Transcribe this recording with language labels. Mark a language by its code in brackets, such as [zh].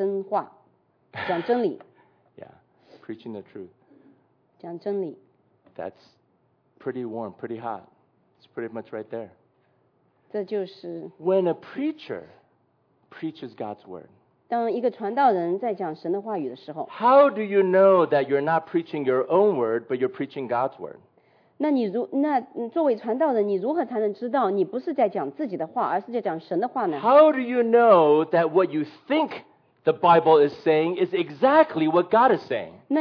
[zh] 有人说是就是你要讲真话，讲真理。 [en] Yeah, preaching the truth. [zh] 讲真理。 [en] That's pretty warm, pretty hot. It's pretty much right there. [zh] 这就是 [en] When a preacher preaches God's word, [zh] 当一个传道人在讲神的话语的时候, [en] how do you know that you're not preaching your own word, but you're preaching God's word? [zh] 那作为传道人，你如何才能知道你不是在讲自己的话，而是在讲神的话呢? [en] How do you know that what you think the Bible is saying is exactly what God is saying?